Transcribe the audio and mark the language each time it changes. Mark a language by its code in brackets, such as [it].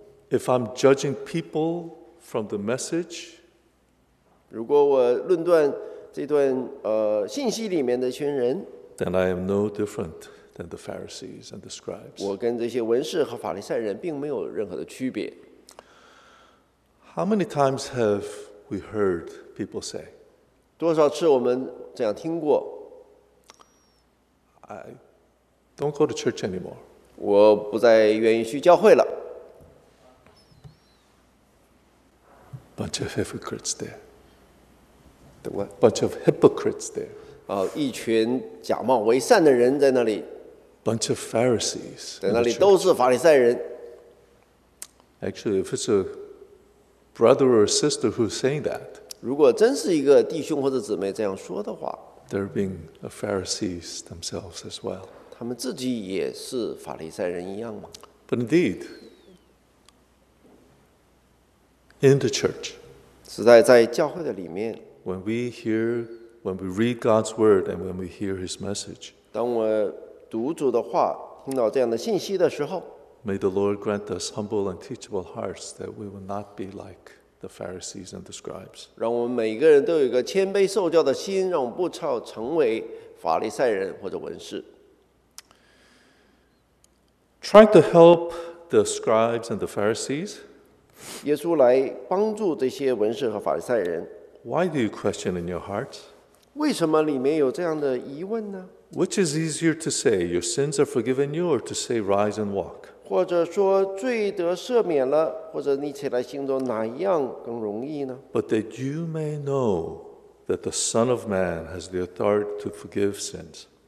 [en] if I'm judging people from the message, [zh] 如果我论断这段信息里面的群人, [en] then I am no different than the Pharisees and the scribes. [zh] 我跟这些文士和法利赛人并没有任何的区别。 [en] How many times have we heard people say? [zh] 多少次我们这样听过? [en] I don't go to church anymore. [zh] 我不再愿意去教会了。 [en] Bunch of hypocrites there. The what? Bunch of hypocrites there. [zh] 一群假冒为善的人在那里。 [en] Bunch of Pharisees. [zh] 在那里都是法利赛人。 [en] Actually, if it's a brother or sister who's saying that, [zh] 如果真是一个弟兄或者姊妹这样说的话, [en] they're being a Pharisees themselves as well. [zh] 他们自己也是法利赛人一样吗? [en] But indeed, in the church, [zh] 实在在教会的里面, [en] when we read God's word and when we hear His message, [zh] 当我读主的话，听到这样的信息的时候, [en] may the Lord grant us humble and teachable hearts that we will not be like the Pharisees and the scribes. [zh] 让我们每个人都有一个谦卑受教的心, 让我们不要成为法利赛人或者文士。 [en] Trying to help the scribes and the Pharisees. [zh] 耶稣来帮助这些文士和法利赛人。 [en] Why do you question in your heart? [zh] 为什么里面有这样的疑问呢? [en] Which is easier to say, your sins are forgiven you, or to say, rise and walk? [zh] 或者说罪得赦免了，或者你起来行走，哪一样更容易呢？ [en] But that you may know that the Son of Man has the authority to forgive sins.